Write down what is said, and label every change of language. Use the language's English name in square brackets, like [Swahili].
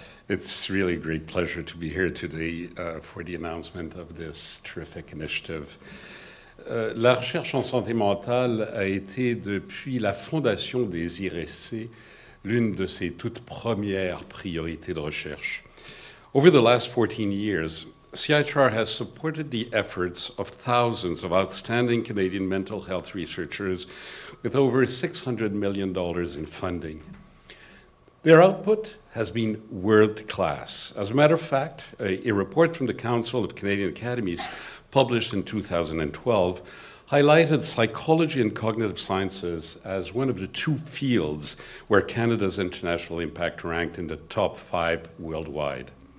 [English] It's really a great pleasure to be here today for the announcement of this terrific initiative. [French] La recherche en santé mentale a été, depuis la fondation des IRSC, l'une de ses toutes premières priorités de recherche. [English] Over the last 14 years, CIHR has supported the efforts of thousands of outstanding Canadian mental health researchers with over $600 million in funding. Their output has been world class. As a matter of fact, a report from the Council of Canadian Academies published in 2012 highlighted psychology and cognitive sciences as one of the two fields where Canada's international impact ranked in the top five worldwide.